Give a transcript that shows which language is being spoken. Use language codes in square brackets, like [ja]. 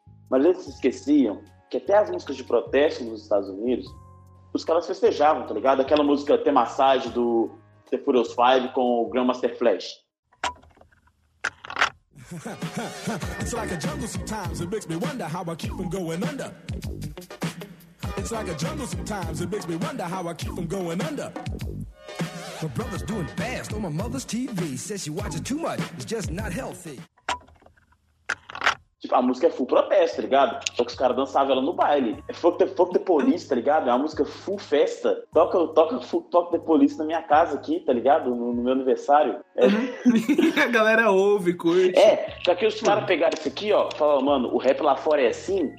[pt] Mas eles esqueciam que até as músicas de protesto nos Estados Unidos, os caras festejavam, tá ligado? Aquela música Tem Massagem do The Furious Five com o Grandmaster Flash. [en] It's like a jungle sometimes, it makes me wonder how I keep from going under. It's like a jungle sometimes, it makes me wonder how I keep from going under. My brother's doing fast on my mother's TV. Says she watches too much, it's just not healthy. [pt] Tipo, a música é full protesto, tá ligado? Só que os caras dançavam ela no baile. É Fuck the Police, tá ligado? É uma música full festa. Toca full Fuck the Police na minha casa aqui, tá ligado? No meu aniversário. A galera ouve, curte. É, só que os caras pegaram isso aqui, ó. Falaram, mano, o rap lá fora é assim.